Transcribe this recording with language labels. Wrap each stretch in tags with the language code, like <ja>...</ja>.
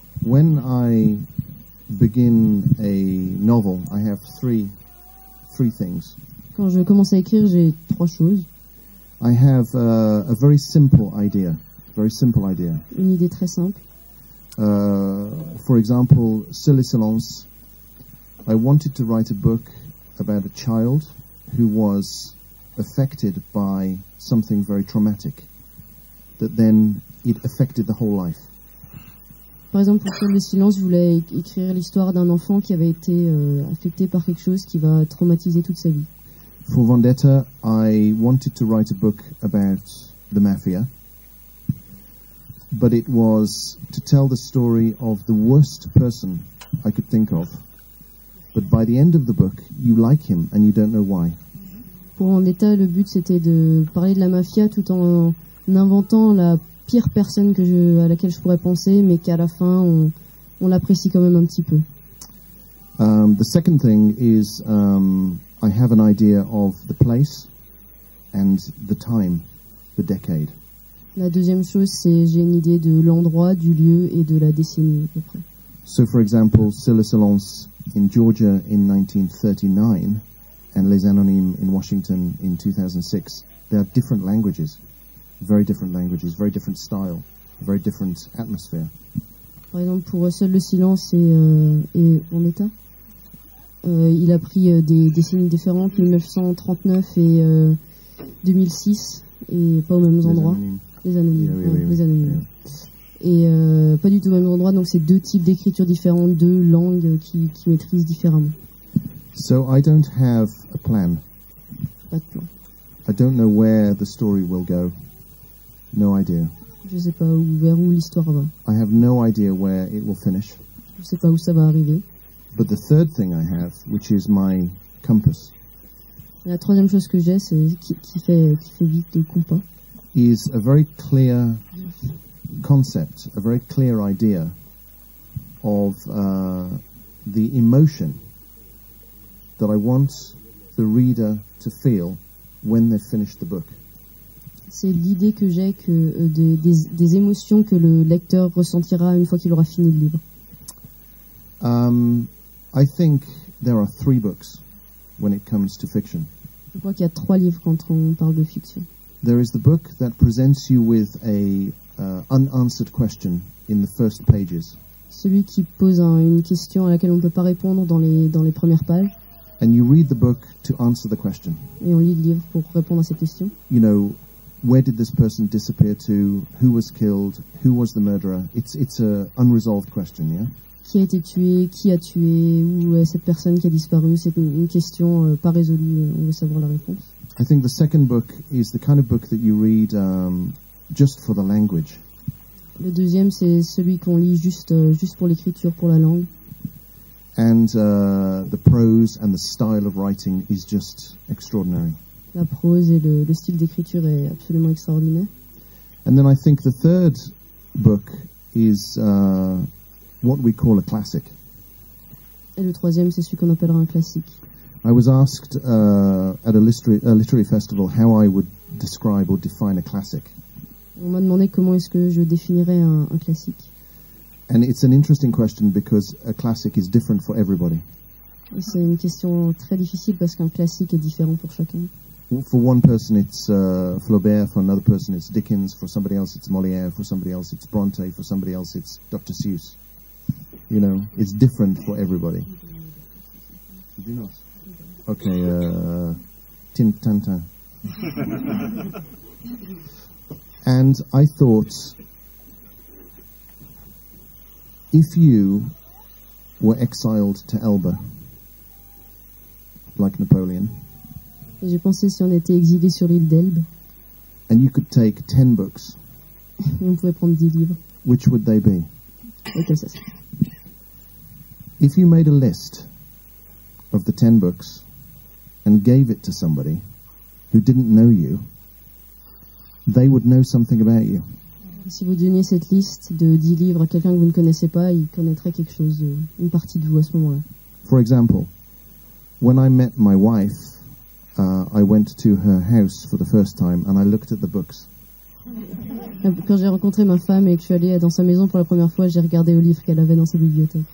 <en>When I begin a novel, I have three things.</en> <fr>Quand je commence à écrire, j'ai trois choses.</fr> <en>I have a very simple idea.</en> <fr>Une idée très simple.</fr> <en>For example, Silly Silence. I wanted to write a book about a child who was affected by something very traumatic that then it affected the whole life.</en> <fr>Par exemple, pour Silly Silence, je voulais écrire l'histoire d'un enfant qui avait été affecté par quelque chose qui va traumatiser toute sa vie.</fr> <en>For Vendetta, I wanted to write a book about the mafia. But it was to tell the story of the worst person I could think of. But by the end of the book, you like him and you don't know why.</en> <fr>Pour Vendetta, le but c'était de parler de la mafia tout en inventant la pire personne à laquelle je pourrais penser, mais qu'à la fin, on l'apprécie quand même un petit peu.</fr> <en>The second thing is I have an idea of the place and the time, the decade.</en> <fr>La deuxième chose, c'est j'ai une idée de l'endroit, du lieu et de la décennie à peu près.</fr> <en>So for example, Silly Silence in Georgia in 1939 and Les Anonymes in Washington in 2006, they are different languages. Very different languages, very different style, very different atmosphere.</en> <fr>Par exemple, pour Seul le silence et en état, il a pris des décennies différentes, 1939 et 2006, et pas aux mêmes endroits. Les anonymes. Oui. Et pas du tout au même endroit, donc c'est deux types d'écriture différentes, deux langues qui maîtrisent différemment.</fr> <en>So I don't have a plan.</en> <fr>Pas de plan.</fr> <en>I don't know where the story will go. No idea.</en> <fr>Je sais pas où, vers où l'histoire va.</fr> <en>I have no idea where it will finish.</en> <fr>Je sais pas où ça va arriver.</fr> <en>But the third thing I have, which is my compass.</en> <fr>La troisième chose que j'ai, c'est qui fait vite le compas.</fr> <en>Is a very clear concept, a very clear idea of the emotion that I want the reader to feel when they finish the book.</en> <fr>C'est l'idée que j'ai que des émotions que le lecteur ressentira une fois qu'il aura fini le livre.</fr> <en>I think there are three books when it comes to fiction.</en> <fr>Je crois qu'il y a trois livres quand on parle de fiction.</fr> <en>There is the book that presents you with an unanswered question in the first pages.</en> <fr>Celui qui pose une question à laquelle on ne peut pas répondre dans les premières pages.</fr> <en>And you read the book to answer the question.</en> <fr>Et on lit le livre pour répondre à cette question.</fr> <en>You know, where did this person disappear to? Who was killed? Who was the murderer? It's a unresolved question, yeah?</en> <fr>Qui a été tué? Qui a tué? Où est cette personne qui a disparu? C'est une question pas résolue. On veut savoir la réponse.</fr> <en>I think the second book is the kind of book that you read just for the language.</en> <fr>Le deuxième, c'est celui qu'on lit juste pour l'écriture, pour la langue.</fr> <en>And the prose and the style of writing is just extraordinary.</en> <fr>La prose et le style d'écriture est absolument extraordinaire.</fr> <en>And then I think the third book is what we call a classic.</en> <fr>Et le troisième, c'est celui qu'on appellera un classique.</fr> <en>I was asked at a literary festival how I would describe or define a classic.</en> <fr>On m'a demandé comment est-ce que je définirais un classique.</fr> <en>And it's an interesting question because a classic is different for everybody.</en> <fr>Et c'est une question très difficile parce qu'un classique est différent pour chacun.</fr> <en>For one person it's Flaubert, for another person it's Dickens, for somebody else it's Molière, for somebody else it's Bronte, for somebody else it's Dr. Seuss. You know, it's different for everybody. Did you not? Okay, Tintin. And I thought, if you were exiled to Elba, like Napoleon,</en> <fr>je pensais si on était exilé sur l'île d'Elbe,</fr> <en>and you could take 10 books,</en> <fr>on pouvait prendre 10 livres,</fr> <en>which would they be?</en> <fr>Okay, ça serait.</fr> <en>If you made a list of the 10 books and gave it to somebody who didn't know you, they would know something about you.</en> <fr>Si vous donniez cette liste de 10 livres à quelqu'un que vous ne connaissez pas, il connaîtrait quelque chose, une partie de vous à ce moment-là.</fr> <en>For example, when I met my wife, I went to her house for the first time and I looked at the books.</en> <fr>Quand j'ai rencontré ma femme et que je suis allée dans sa maison pour la première fois, j'ai regardé les livres qu'elle avait dans sa bibliothèque.</fr>